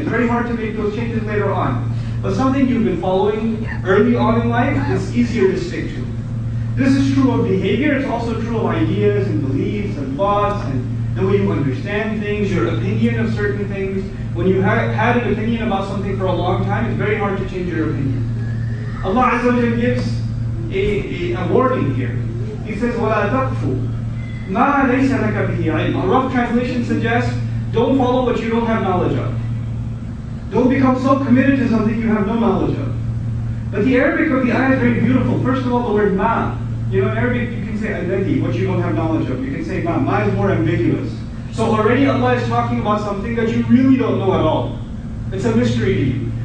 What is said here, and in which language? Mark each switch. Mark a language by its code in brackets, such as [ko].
[en] It's very hard to make those changes later on. But something you've been following early on in life is easier to stick to. This is true of behavior, it's also true of ideas and beliefs and thoughts and the way you understand things, your opinion of certain things. When you had an opinion about something for a long time, it's very hard to change your opinion. Allah Azza wa Jalla gives a warning here. He says, [ar] وَلَا تَقْفُ مَا لَيْسَ لَكَ بِهِ عِلْمٌ. [en] A rough translation suggests, don't follow what you don't have knowledge of. Don't become so committed to something you have no knowledge of. But the Arabic of the ayah is very beautiful. First of all, the word ma. You know, in Arabic you can say alladhi, what you don't have knowledge of. You can say ma. Ma is more ambiguous. So already Allah is talking about something that you really don't know at all. It's a mystery to you.